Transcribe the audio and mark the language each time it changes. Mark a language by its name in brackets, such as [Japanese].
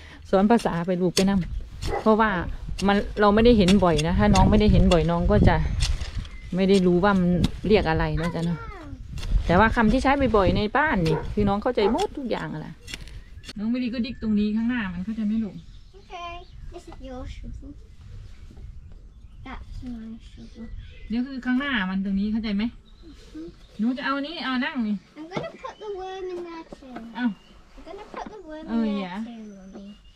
[Thai] สอนภาษาไปลูกไปนั่งเพราะว่ามันเราไม่ได้เห็นบ่อยนะถ้าน้องไม่ได้เห็นบ่อยน้องก็จะไม่ได้รู้ว่ามันเรียกอะไรนะจ๊ะเนาะแต่ว่าคำที่ใช้บ่อยในบ้านนี่คือน้องเข้าใจหมดทุกอย่างอะล่ะน้องไม่ดีก็ดิ๊กตรงนี้ข้างหน้ามันเข้าใจไม่ลูก โอเค [English] this is your shoe that's my shoe [Thai] เดี๋ยวคือข้างหน้ามันตรงนี้เข้าใจไหมหนูจะเอานี้เอานั่งนี่ [English] I'm gonna put the worm in that too I'm gonna put the worm in that too